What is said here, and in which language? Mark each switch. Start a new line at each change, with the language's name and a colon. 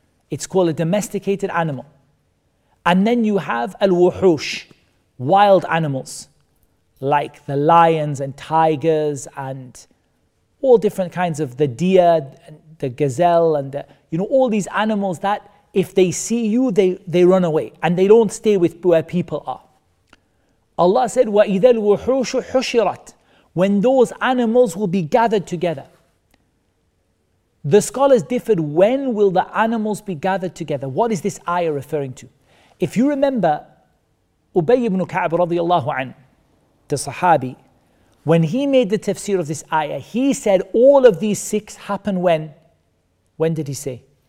English: It's called a domesticated animal. And then you have al-wuhush, wild animals, like the lions and tigers and all different kinds of the deer, the gazelle, and the, you know, all these animals that if they see you, they run away and they don't stay with where people are. Allah said,
Arabic: وَإِذَا الْوُحُوشُ حُشِرَتْ.
English: When those animals will be gathered together. The scholars differed, when will the animals be gathered together? What is this ayah referring to? If you remember, Ubay ibn Ka'b radiallahu an, the Sahabi, when he made the tafsir of this ayah, he said all of these six happen when? When did he say?